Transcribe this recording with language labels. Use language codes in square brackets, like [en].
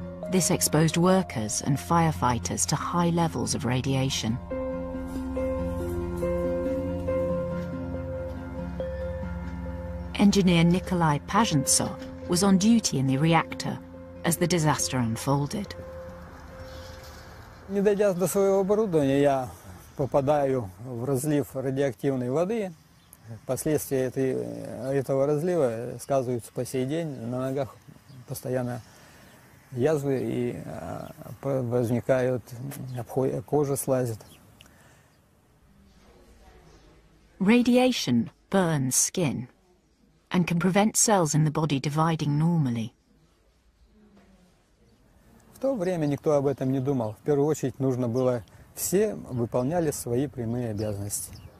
[en] This exposed workers and firefighters to high levels of radiation. Engineer Nikolai Pazhentsov was on duty in the reactor as the disaster unfolded. [ru] Не дойдя до своего оборудования, я попадаю в разлив радиоактивной воды. Последствия этого разлива сказываются по сей день. На ногах постоянно язвы и возникают кожа слазит. [en] Radiation burns skin. and can prevent cells in the body dividing normally. [ru] В то время никто об этом не думал. В первую очередь нужно было все выполняли свои прямые обязанности.